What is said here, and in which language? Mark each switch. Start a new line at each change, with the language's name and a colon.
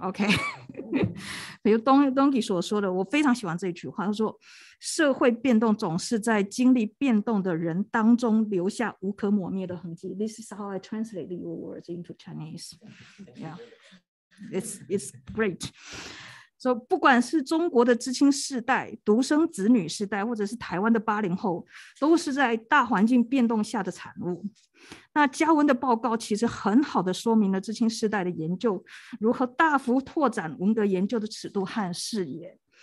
Chinese: OK 比如 Tongzhi 所说的，我非常喜欢这一句话，他说社会变动总是在经历变动的人当中留下无可磨灭的痕迹。
English: This is how I translate your words into Chinese. Yeah, it's great.
Chinese: So 不管是中国的知青世代、独生子女世代，或者是台湾的80后，都是在大环境变动下的产物。那嘉文的报告其实很好的说明了知青世代的研究如何大幅拓展文革研究的尺度和视野。